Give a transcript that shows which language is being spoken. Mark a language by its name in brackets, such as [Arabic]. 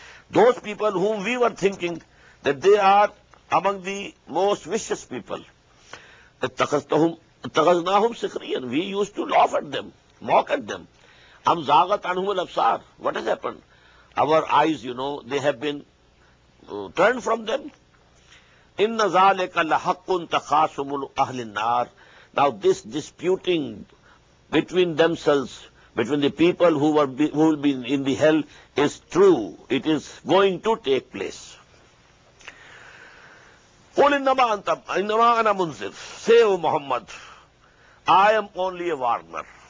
[English] Those people whom we were thinking that they are among the most vicious people. [Arabic] اتخذناهم سخريا. [English] We used to laugh at them, mock at them. [Arabic] أم زاغت عنهم الأبصار. [English] What has happened? Our eyes, you know, they have been turned from them. [Arabic] إن ذلك لحق تخاصم أهل النار. [English] Now this disputing between themselves, between the people who will be in the hell, is true. It is going to take place. [Arabic] قُلْ إِنَّمَا أَنَا مُنْزِرْ. [English] Say, O Muhammad, I am only a warner.